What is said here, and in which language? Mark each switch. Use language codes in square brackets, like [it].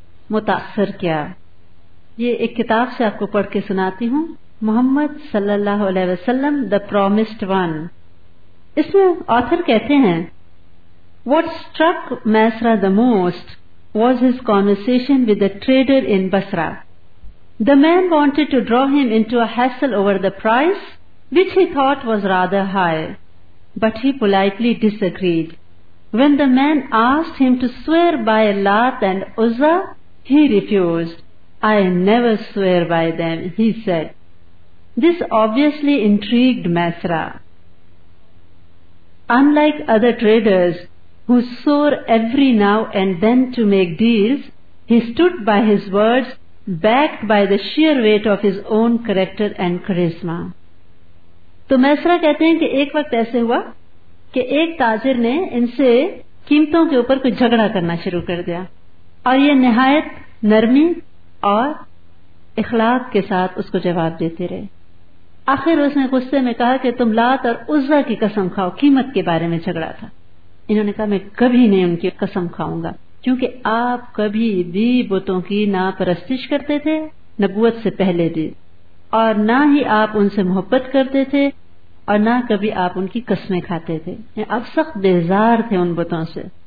[ur] متاثر کیا، یہ ایک کتاب سے آپ کو پڑھ کے سناتی ہوں، محمد صلی اللہ علیہ وسلم دا پرومسڈ ون۔ اس میں آتھر کہتے ہیں [en] What struck Maisra the most was his conversation with the trader in Basra. The man wanted to draw him into a hassle over the price, which he thought was rather high, but he politely disagreed. When the man asked him to swear by Lat and Uzza, he refused. I never swear by them, he said. This obviously intrigued Maisra. Unlike other traders, who swore every now and then to make deals, he stood by his words, backed by the sheer weight of his own character and charisma. [ur] تو میسرہ کہتے ہیں کہ ایک وقت ایسے ہوا کہ ایک تاجر نے ان سے قیمتوں کے اوپر کوئی جھگڑا کرنا شروع کر دیا اور یہ نہایت نرمی اور اخلاق کے ساتھ اس کو جواب دیتے رہے۔ آخر اس نے غصے میں کہا کہ تم لات اور عزہ کی قسم کھاؤ، قیمت کے بارے میں جھگڑا تھا۔ انہوں نے کہا میں کبھی نہیں ان کی قسم کھاؤں گا، کیونکہ آپ کبھی بھی بتوں کی نہ پرستش کرتے تھے نبوت سے پہلے بھی، اور نہ ہی آپ ان سے محبت کرتے تھے، اور نہ کبھی آپ ان کی قسمیں کھاتے تھے، آپ سخت بیزار تھے ان بتوں سے۔